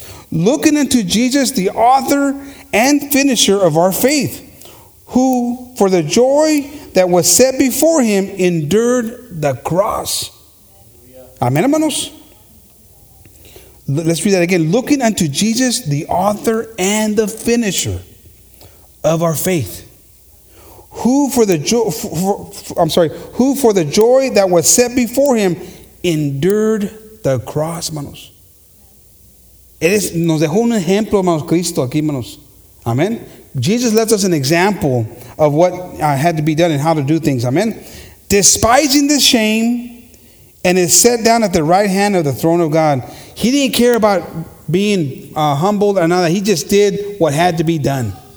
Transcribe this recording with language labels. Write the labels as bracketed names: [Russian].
[English] Looking unto Jesus, the author and finisher of our faith, who for the joy that was set before him endured the cross. Amen, hermanos. Let's read that again. Looking unto Jesus, the author and the finisher of our faith, who for the joy that was set before him endured the cross, hermanos. [Spanish] Nos dejó un ejemplo, hermanos, Cristo, aquí, hermanos. Amen. [English] Jesus left us an example of what had to be done and how to do things. Amen. Despising the shame, and is set down at the right hand of the throne of God. He didn't care about being humbled or nada. He just did what had to be done.